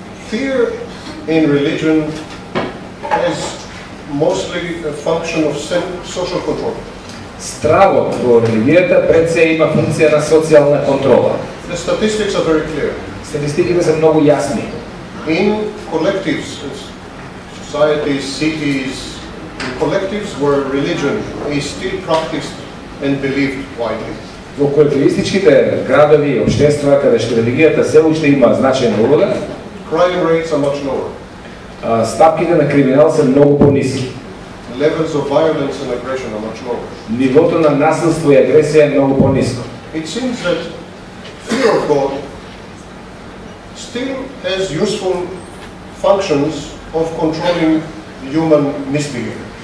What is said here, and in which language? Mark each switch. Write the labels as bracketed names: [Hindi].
[English] Fear in religion is mostly a function of social control. [Macedonian] Стравот во религијата пред се има функција на социјална контрола. [English] The statistics are very clear. [Macedonian] Статистиките се многу јасни. [English] In collectives, societies, cities, in collectives where religion is still practiced and believed widely. [Macedonian] Во колективистичките градови и општества каде што религијата се уште има значајна улога, [English] crime rates are much lower. [Macedonian] Стапките на криминал се многу пониски. [English] Levels of violence and aggression are much lower. [Macedonian] Нивото на насилство и агресија е многу пониско. [English] It seems that fear of God still has useful functions of controlling human misbehavior.